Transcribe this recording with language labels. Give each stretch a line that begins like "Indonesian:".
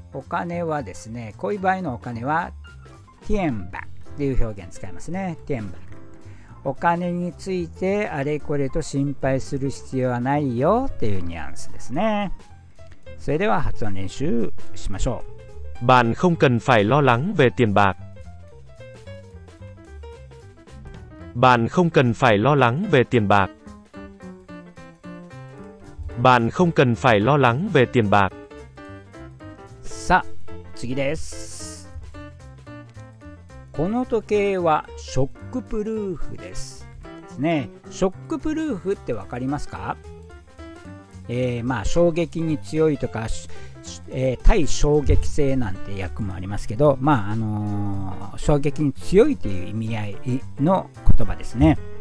Japanese: お金はですね、こういう場合のお金はティエンバっていう表現使いますね。ティエンバ、お金についてあれこれと心配する必要はないよっていうニュアンスですね。それでは発音練習しましょう。
Vietnamese: Bạn không cần phải lo lắng về tiền bạc. Bạn không cần phải lo lắng về tiền bạc. Bạn không cần phải lo lắng về tiền bạc.
Japanese: さあ、次です。この時計はショックプルーフです。ですね。ショックプルーフってわかりますか？衝撃に強いとか、対衝撃性なんて訳もありますけど、衝撃に強いという意味合いの言葉ですね。